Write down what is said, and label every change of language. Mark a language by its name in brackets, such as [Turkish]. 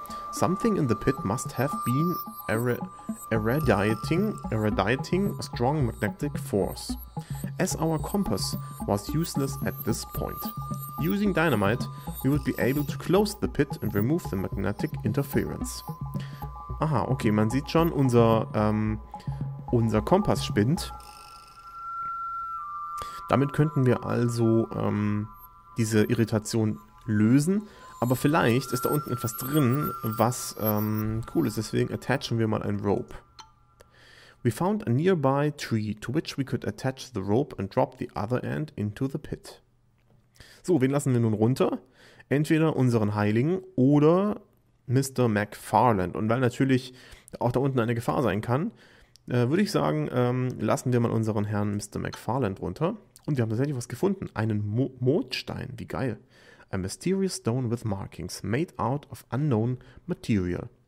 [English] Something in the pit must have been eradiating a strong magnetic force, as our compass was useless at this point. Using dynamite, we would be able to close the pit and remove the magnetic interference. [German] Aha, okay, man sieht schon, unser Kompass spinnt. Damit könnten wir also diese Irritation lösen. Aber vielleicht ist da unten etwas drin, was cool ist. Deswegen attachen wir mal ein Rope. [English] We found a nearby tree to which we could attach the rope and drop the other end into the pit. [German] So, wen lassen wir nun runter? Entweder unseren Heiligen oder Mr. McFarland. Und weil natürlich auch da unten eine Gefahr sein kann, würde ich sagen, lassen wir mal unseren Herrn Mr. McFarland runter. Und wir haben tatsächlich was gefunden. Einen Mondstein. Wie geil. [English] A mysterious stone with markings made out of unknown material.